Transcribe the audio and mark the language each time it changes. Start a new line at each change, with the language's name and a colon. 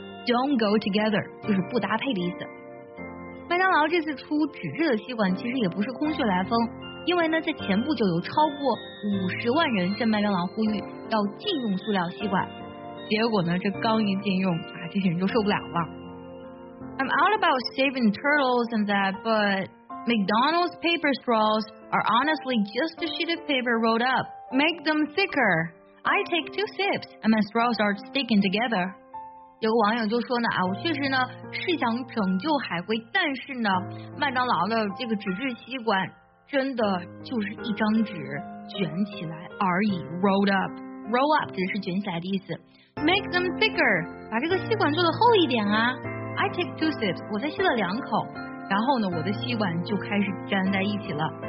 English: Don't go together
Chinese: 就是不搭配的意思。麦当劳这次出纸质的吸管，其实也不是空穴来风。因为呢，在前不久有超过50万人向麦当劳呼吁要禁用塑料吸管，结果呢，这刚一禁用啊，这些人就受不了了。
English: I'm all about saving turtles and that, but McDonald's paper straws are honestly just a sheet of paper rolled up. Make them thicker. I take 2 sips and my straws are sticking together.
Chinese: 有个网友就说呢，啊，我确实呢是想拯救海龟，但是呢，麦当劳的这个纸质吸管。真的就是一张纸卷起来而已 ，
English: rolled up，
Chinese: roll up 指的是卷起来的意思。
English: Make them thicker，
Chinese: 把这个吸管做的厚一点啊。
English: I take 2 sips，
Chinese: 我再吸了两口，然后呢，我的吸管就开始粘在一起了。